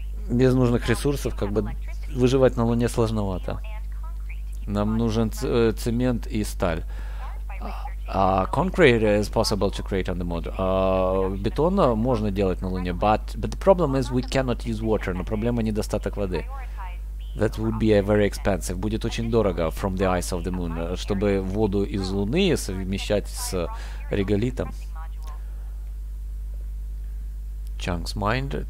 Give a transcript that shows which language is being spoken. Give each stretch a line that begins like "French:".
Russian: Без нужных ресурсов, как бы, выживать на Луне сложновато. Нам нужен цемент и сталь.
English: Concrete is possible to create on the moon.
Russian: Бетон можно делать на Луне,
English: but the problem is we cannot use water.
Russian: Но проблема недостаток воды.
English: That would be very expensive.
Russian: Будет очень дорого
English: from the ice of the moon,
Russian: чтобы воду из Луны совмещать с реголитом.
English: Chunk's mind.